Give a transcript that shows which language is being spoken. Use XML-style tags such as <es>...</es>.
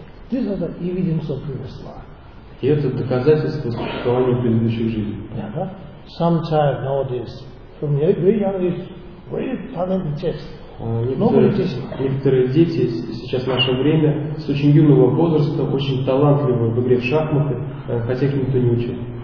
<en>This is the evidence of previous life.</en> <ru>И это доказательство существования предыдущей жизни.</ru> <en>Some child nowadays, from a very young age, very talented test.</en> <ru>Некоторые дети сейчас в наше время с очень юного возраста очень талантливы в игре в шахматы, хотя их никто не учил.</ru>